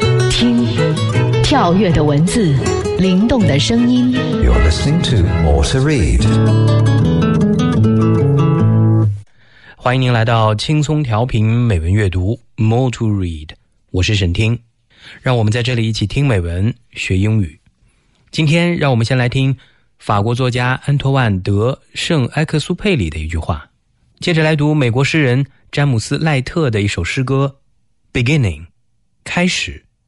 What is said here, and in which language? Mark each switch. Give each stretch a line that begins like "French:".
Chinese: 听，跳跃的文字，灵动的声音。
English: You are listening to More to Read.
Chinese: 欢迎您来到轻松调频美文阅读 More to Read， 我是沈听，让我们在这里一起听美文学英语。今天让我们先来听法国作家安托万·德·圣埃克苏佩里的一句话，接着来读美国诗人詹姆斯·赖特的一首诗歌 Beginning， 开始。